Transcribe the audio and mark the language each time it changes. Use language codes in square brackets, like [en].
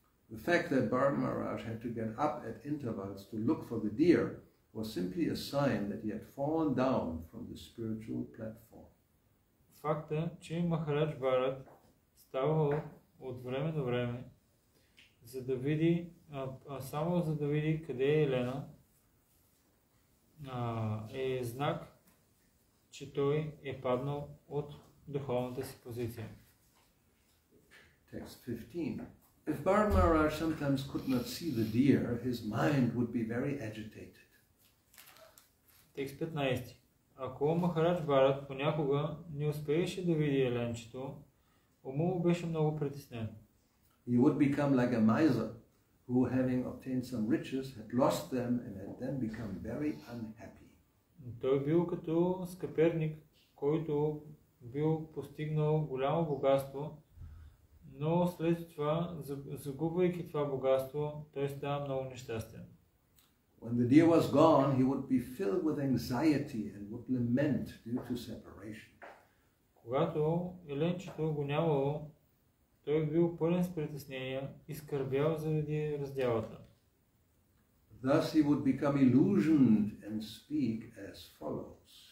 [en] The fact that Bhard Maharaj had to get up at intervals to look for the deer was simply a sign that he had fallen down from the spiritual platform. [bg] Факта, че Махарадж Бхарад ставал от време на време, за да види, само за да види къде е Елена, е знак, че той е паднал от духовната си позиция. [en] Text 15. If Bhard Maharaj sometimes could not see the deer, his mind would be very agitated. [bg] Текст 15. Ако Махарадж Бхарад понякога не успееше да види еленчето, уму беше много притеснен. [en] He would become like a miser who, having obtained some riches, had lost them and had then become very unhappy. [bg] Той бил като скъперник, който бил постигнал голямо богатство, но след това, загубвайки това богатство, той става много нещастен. [en] When the deer was gone, he would be filled with anxiety and would lament due to separation. [bg] Когато еленчето го нямало, той бил пълен с притеснения и скърбял заради раздялата. [en] Thus he would become illusioned and speak as follows.